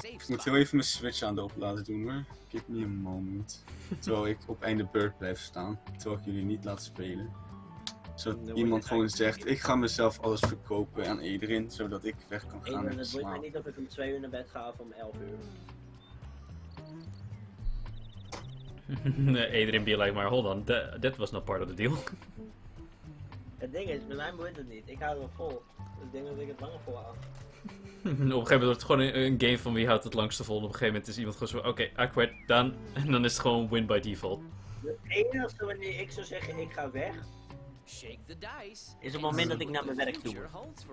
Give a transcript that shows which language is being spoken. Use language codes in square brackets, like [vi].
[nl] Ik moet heel even mijn switch aan de open laten doen hoor. [en] Give me a moment. [nl] Terwijl ik op einde beurt blijf staan. Terwijl ik jullie niet laat spelen. Zodat iemand gewoon zegt, ik ga mezelf alles verkopen aan iedereen, zodat ik weg kan gaan en slaan. Het boeit mij niet of ik om 2 uur naar bed ga of om 11 uur. [en] Nee, Adrian be like, maar hold on, that was not part of the deal. [nl] Het ding is, bij mij moet het niet. Ik hou het vol. Ik denk dat ik het langer vol houd. Op een gegeven moment wordt het gewoon een game van wie houdt het langste vol. En op een gegeven moment is iemand gewoon zo, [en] okay, I quit, done. [nl] En dan is het gewoon [en] win by default. [nl] De enige wanneer ik zou zeggen, ik ga weg, [en] shake the dice, [nl] is het moment dat ik naar mijn werk toe moet.